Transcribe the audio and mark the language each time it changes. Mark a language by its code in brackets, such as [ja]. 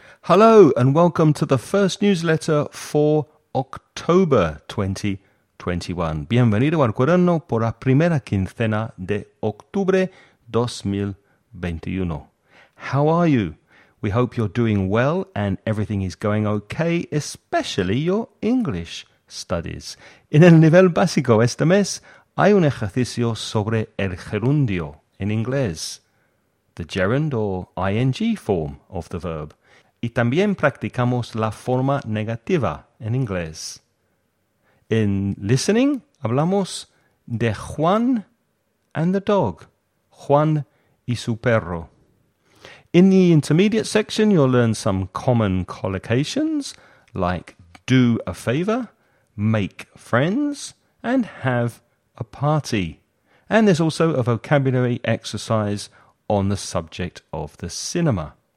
[en] Hello and welcome to the first newsletter for October 2021. [es] Bienvenido al cuaderno por la primera quincena de octubre 2021. [en] How are you? We hope you're doing well and everything is going okay, especially your English studies. [es] En el nivel básico este mes hay un ejercicio sobre el gerundio en inglés, [en] the gerund or ing form of the verb. [es] Y también practicamos la forma negativa en inglés. En listening, hablamos de [en] Juan and the dog, [es] Juan y su perro. [en] In the intermediate section, you'll learn some common collocations like do a favor, make friends, and have a party. And there's also a vocabulary exercise on the subject of the cinema.